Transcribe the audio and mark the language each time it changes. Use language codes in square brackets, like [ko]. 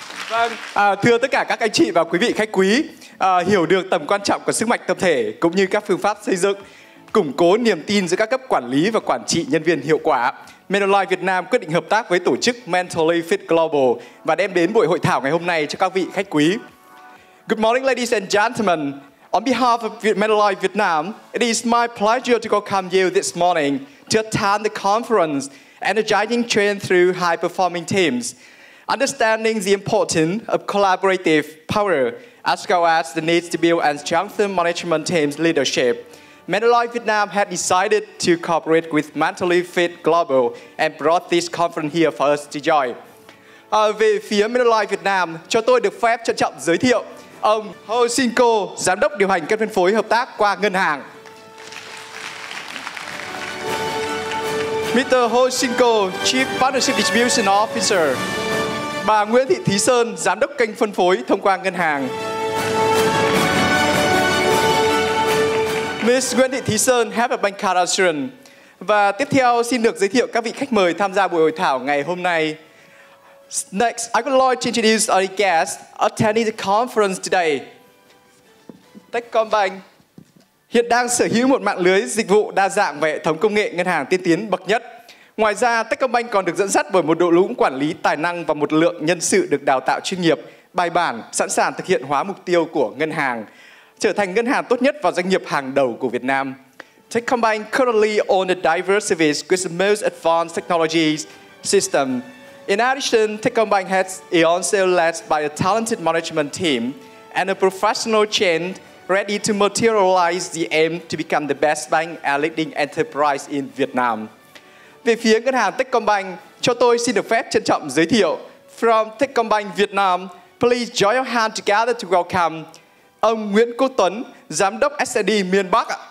[vi] Vâng, thưa tất cả các anh chị và quý vị khách quý, hiểu được tầm quan trọng của sức mạnh tập thể cũng như các phương pháp xây dựng, củng cố niềm tin giữa các cấp quản lý và quản trị nhân viên hiệu quả, Manulife Việt Nam quyết định hợp tác với tổ chức Mentally Fit Global và đem đến buổi hội thảo ngày hôm nay cho các vị khách quý. [en] Good morning ladies and gentlemen, on behalf of Manulife Vietnam, it is my pleasure to welcome you this morning to attend the conference energizing trend through high-performing teams, understanding the importance of collaborative power, as well as the need to build and strengthen management teams' leadership. Manulife Vietnam had decided to cooperate with Mentally Fit Global and brought this conference here for us to join. [vi] Về phía Manulife Vietnam, cho tôi được phép trân trọng giới thiệu ông Ho Sinh Co, Giám đốc điều hành kênh phân phối hợp tác qua ngân hàng. [en] Mr. Ho Sinh Co, Chief Partnership Distribution Officer. [vi] Bà Nguyễn Thị Thí Sơn, Giám đốc kênh phân phối thông qua ngân hàng. Ms. Nguyễn Thị Thí Sơn, [en] Head of Bank Card Assurance. [vi] Và tiếp theo xin được giới thiệu các vị khách mời tham gia buổi hội thảo ngày hôm nay. [en] Next, I would like to introduce our guest attending the conference today. [vi] Techcombank hiện đang sở hữu một mạng lưới dịch vụ đa dạng về hệ thống công nghệ ngân hàng tiên tiến bậc nhất. Ngoài ra, Techcombank còn được dẫn dắt bởi một đội ngũ quản lý tài năng và một lượng nhân sự được đào tạo chuyên nghiệp, bài bản, sẵn sàng thực hiện hóa mục tiêu của ngân hàng, trở thành ngân hàng tốt nhất và doanh nghiệp hàng đầu của Việt Nam. [en] Techcombank currently owns a diverse service with the most advanced technology system. In addition, Techcombank has also led by a talented management team and a professional chain ready to materialize the aim to become the best bank and leading enterprise in Vietnam. [vi] Về phía ngân hàng Techcombank, cho tôi xin được phép trân trọng giới thiệu [en] from Techcombank Vietnam, please join your hands together to welcome [vi] ông Nguyễn Quốc Tuấn, Giám đốc SID miền Bắc.